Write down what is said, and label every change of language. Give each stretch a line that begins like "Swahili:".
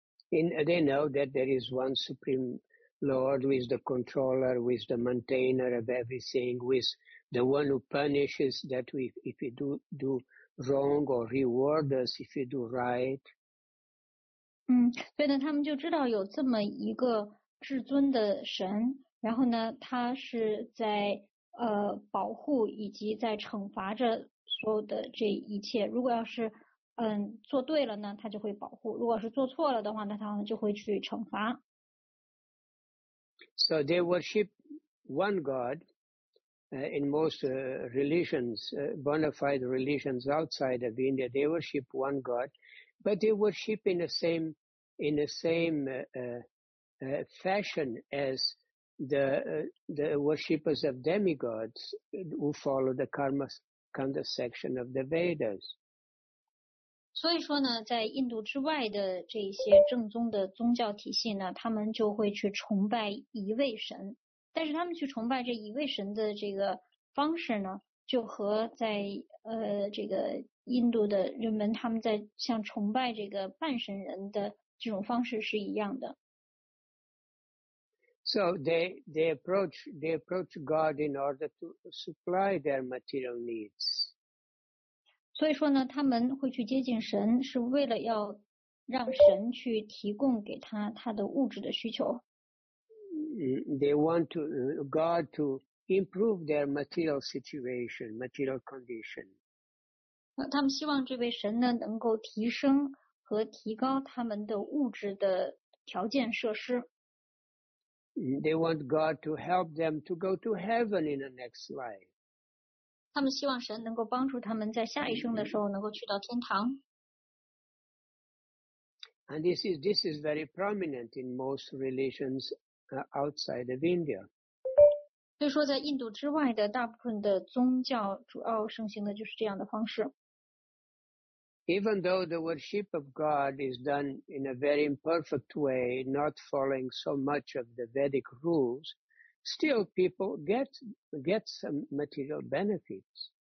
English: They know that there is one supreme Lord who is the controller, who is the maintainer of everything, who is the one who punishes that we if we do wrong or reward us if we do right.
Chinese: 所以呢，他们就知道有这么一个至尊的神，然后呢，他是在保护以及在惩罚着所有的这一切。如果要是做对了呢，他就会保护；如果是做错了的话，那他就会去惩罚。
English: So they worship one God. In most religions, bona fide religions outside of India, they worship one God, but they worship in the same fashion as the worshippers of demigods who follow the karma kanda section of the Vedas.
Chinese: 所以说呢，在印度之外的这些正宗的宗教体系呢，他们就会去崇拜一位神。但是他们去崇拜这一位神的这个方式呢，就和在这个印度的人们他们在像崇拜这个半神人的这种方式是一样的。
English: So they approach God in order to supply their material needs.
Chinese: 所以说呢，他们会去接近神，是为了要让神去提供给他的物质的需求。
English: They want to, God to improve their material situation, material condition.
Chinese: 他们希望这位神呢能够提升和提高他们的物质的条件设施。
English: They want God to help them to go to heaven in the next life.
Chinese: 他们希望神能够帮助他们在下一生的时候能够去到天堂。
English: And this is very prominent in most religions. Outside of India.
Chinese: 所以说在印度之外的大部分的宗教主要盛行的就是这样的方式。
English: Even though the worship of God is done in a very imperfect way, not following so much of the Vedic rules, still people get some material benefits.